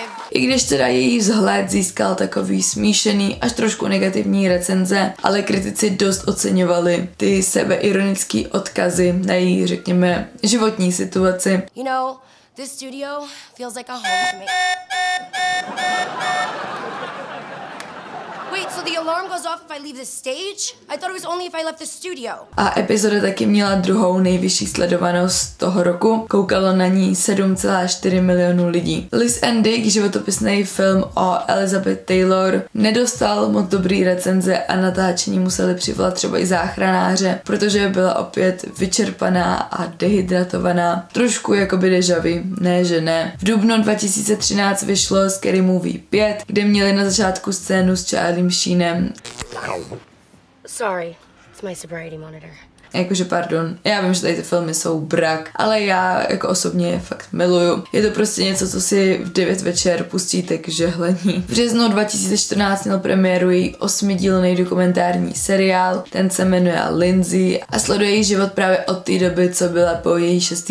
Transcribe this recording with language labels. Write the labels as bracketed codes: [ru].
[cs] I když teda její vzhled získal takový smíšený až trošku negativní recenze, ale kritici dost oceňovali ty sebeironické odkazy na její, řekněme, životní situaci. [en] You know, this studio feels like a home to me. Wait, so the alarm goes off if I leave the stage? I thought it was only if I left the studio. [cs] A epizoda taky měla druhou nejvyšší sledovanost toho roku. Koukalo na ní 7,4 milionu lidí. Liz and Dick, životopisný film o Elizabeth Taylor, nedostal moc dobrý recenze a natáčení museli přivolat třeba i záchranáře, protože byla opět vyčerpaná a dehydratovaná. Trošku jakoby deja vu, ne že ne. V dubnu 2013 vyšlo Scary Movie 5, kde měli na začátku scénu s Sheenem. [en] Sorry, it's my sobriety monitor. [cs] Jakože pardon, já vím, že tady ty filmy jsou brak, ale já jako osobně je fakt miluju. Je to prostě něco, co si v 9 večer pustíte k žehlení. V březnu 2014 měl premiéru její 8-dílný dokumentární seriál, ten se jmenuje Lindsay a sleduje její život právě od té doby, co byla po její 6.